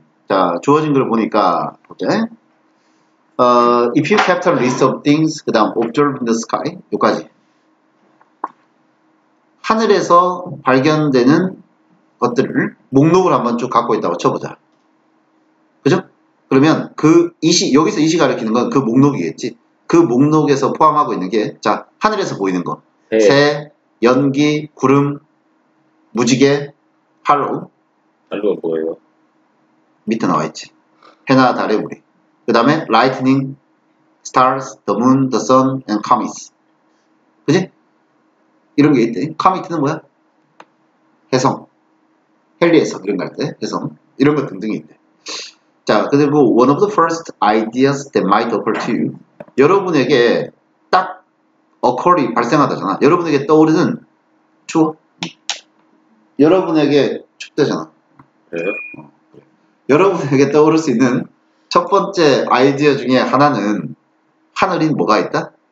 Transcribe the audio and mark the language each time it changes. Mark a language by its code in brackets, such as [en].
[ko] 자, 주어진 글 보니까 보자. [en] If you kept a list of things, [ko] 그 다음 [en] observe in the sky, [ko] 여기까지. 하늘에서 발견되는 것들을 목록을 한번 쭉 갖고 있다고 쳐보자. 그죠? 그러면 그 이시, 여기서 이시 가리키는 건 그 목록이겠지. 그 목록에서 포함하고 있는 게, 자, 하늘에서 보이는 거. 네. 새, 연기, 구름, 무지개, 할로. 할로가 뭐예요? 밑에 나와있지. 해나 달의 우리. 그 다음에 [en] lightning, stars, the moon, the sun, and comets. [ko] 그지? 이런 게 있대. 카미트는 뭐야? 혜성. 헨리에서 그런 거 할 때, 혜성. 이런 것 등등이 있대. 자, 그리고 [en] one of the first ideas that might occur to you. [ko] 여러분에게 딱 occur이 발생하다잖아. 여러분에게 떠오르는 추억. 여러분에게 축대잖아. 여러분에게 떠오를 수 있는 첫 번째 아이디어 중에 하나는 하늘인 뭐가 있다?